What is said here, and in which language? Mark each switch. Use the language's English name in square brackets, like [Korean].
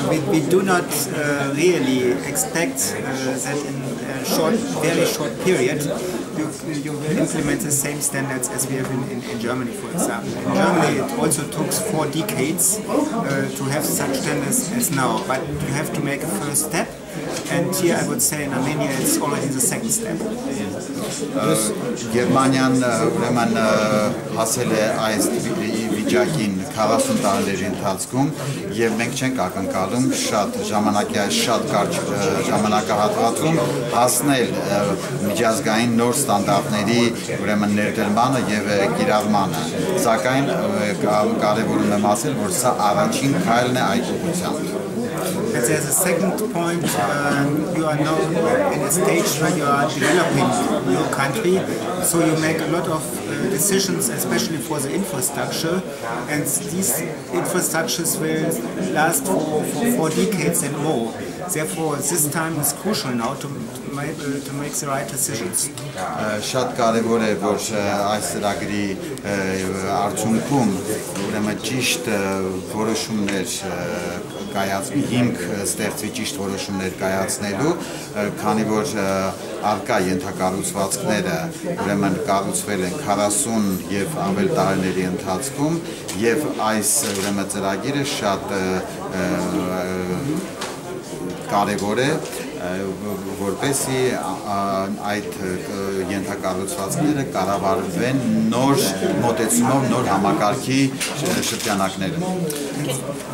[English] We do not really expect that in a very short period you will implement the same standards as we have in Germany, for example. In Germany it also took 4 decades to have such standards as now, but you have to make a first step, and here I would say in Armenia it's already the second step. [Armenian] Գերմանիան ուրեմն հասել է այս վիճակին 40 տարիների ընթացքում, և մենք չենք ակնկալում շատ կարճ ժամանակահատվածում հասնել միջազգային նոր ստանդարտների ուրեմն ներդրմանը և կիրառմանը, սակայն կարևորում եմ ասել, որ սա առաջին քայլն է այդ ուղղությամբ։ [English] But there's a second point. You are now in a stage where you are developing your country, so you make a lot of decisions, especially for the infrastructure, and these infrastructures will last for decades and more. Therefore, this time is crucial now to make the right decisions. [Armenian] Շատ կարևոր է, որ այս ծրագրի արդյունքում ուրեմն ճիշտ որոշումներ կայացնի, հիմք ստեղծվի ճիշտ որոշումներ կայացնելու, քանի որ առկա ենթակառուցվածքները ուրեմն կառուցվել են 40 և ավել տարիների ընթացքում, և այս ուրեմն ծրագիրը շատ կարևոր է, որպեսի այդ ենթակառուցվածքները կառավարվեն նոր մոտեցումով, նոր համակարգի շրջանակներում։